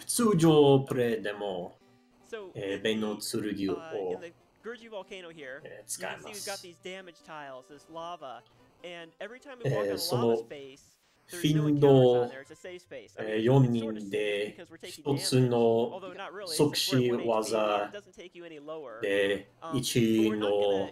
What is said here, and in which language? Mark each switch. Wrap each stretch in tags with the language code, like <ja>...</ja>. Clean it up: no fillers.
<ja>通常プレイでも、ベインの剣を使います。</ja> <en>You can see we've got these damage tiles, this lava, and every time we walk on lava space, there's no encounters on there. It's a safe space.</en> <ja>4人で一つの即死技で一の</ja>